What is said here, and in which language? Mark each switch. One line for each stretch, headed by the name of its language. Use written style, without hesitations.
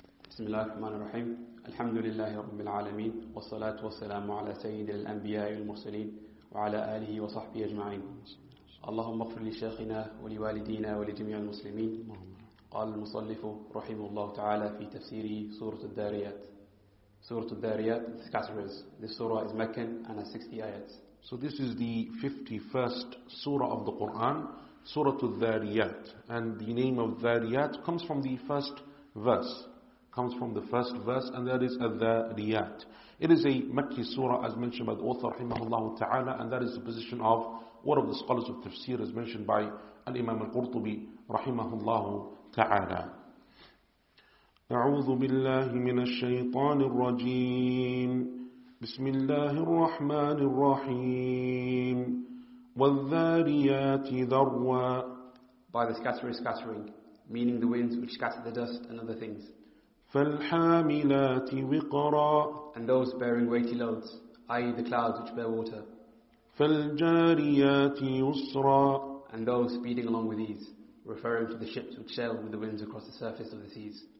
Arabic: بسم الله الرحمن الرحيم الحمد لله رب العالمين والصلاة والسلام على سيد الأنبياء والمرسلين وعلى آله وصحبه أجمعين اللهم اغفر لشيخنا ولوالدينا ولجميع المسلمين. قال المصنف رحمه الله تعالى في تفسيره سورة الداريات.
English: سورة الداريات This surah is Meccan and has 60 ayats. So this is the 51st surah of the Quran, Surah al-Dhariyat. And the name of Dhariyat comes from the first verse. And that is Al-Dhariyat. It is a Makki surah as mentioned by the author rahimahullah ta'ala. And that is the position of one of the scholars of tafsir as mentioned by Al-Imam Al-Qurtubi rahimahullah ta'ala.
Arabic: A'udhu billahi minash shaytanir rajim. بسم الله الرحمن الرحيم والذاريات ذروا.
English: By the scattering, meaning the winds which scatter the dust and other things.
Arabic: فالحاملات وقرا.
English: And those bearing weighty loads, i.e. the clouds which bear water.
Arabic: فالجاريات يسرا.
English: And those speeding along with ease, referring to the ships which sail with the winds across the surface of the seas.